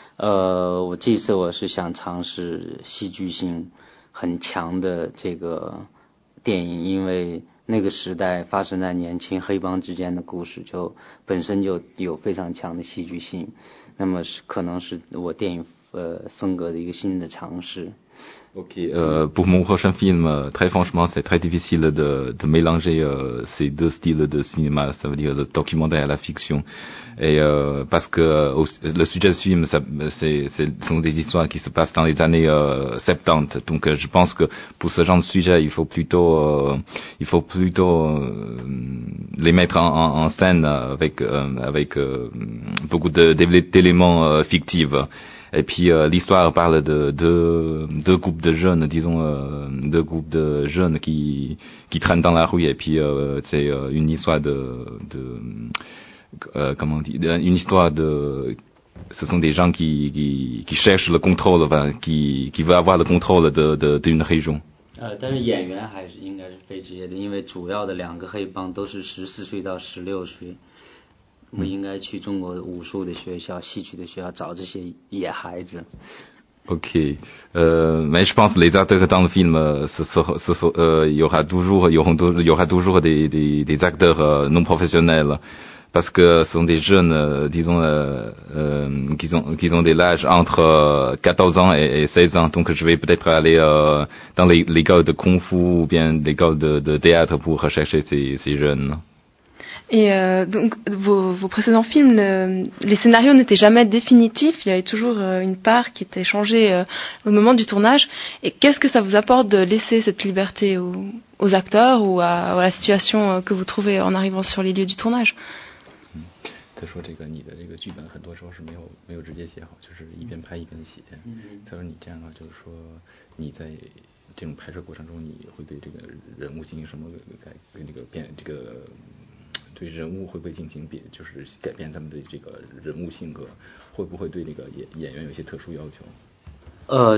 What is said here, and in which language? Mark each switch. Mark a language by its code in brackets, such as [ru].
[zh] 我这次我是想尝试戏剧性很强的这个电影，因为那个时代发生在年轻黑帮之间的故事就本身就有非常强的戏剧性，那么是可能是我电影风格的一个新的尝试。 [fr] OK, pour mon prochain film, très franchement, c'est très difficile de mélanger ces deux styles de cinéma, ça veut dire le documentaire et la fiction. Et parce que le sujet du film, ce sont des histoires qui se passent dans les années 70. Donc je pense que pour ce genre de sujet, il faut plutôt les mettre en scène avec beaucoup d'éléments fictifs. Et puis l'histoire parle de deux groupes de jeunes, disons deux groupes de jeunes qui traînent dans la rue. Et puis c'est une histoire de ce sont des gens qui cherchent le contrôle, enfin, qui veulent avoir le contrôle d'une région. [zh] 但是演员还是应该是非职业的，因为主要的两个黑帮都是14岁到16岁。我们应该去中国武术的学校、戏曲的学校找这些野孩子。 [fr] OK, mais je pense que les acteurs dans le film, il y aura toujours des acteurs non professionnels, parce que ce sont des jeunes, disons, qui ont des âges entre 14 ans et 16 ans, donc je vais peut-être aller dans l'école de kung fu ou bien l'école de théâtre pour rechercher ces jeunes. Et donc vos précédents films, les scénarios n'étaient jamais définitifs, il y avait toujours une part qui était changée au moment du tournage. Et qu'est-ce que ça vous apporte de laisser cette liberté aux acteurs ou à la situation que vous trouvez en arrivant sur les lieux du tournage ? [zh] 他说这个你的这个剧本很多时候是没有直接写好，就是一边拍一边写。他说你这样的话就是说你在这种拍摄过程中你会对这个人物进行什么改跟这个变这个。对人物会不会进行变，就是改变他们的这个人物性格，会不会对那个演员有一些特殊要求？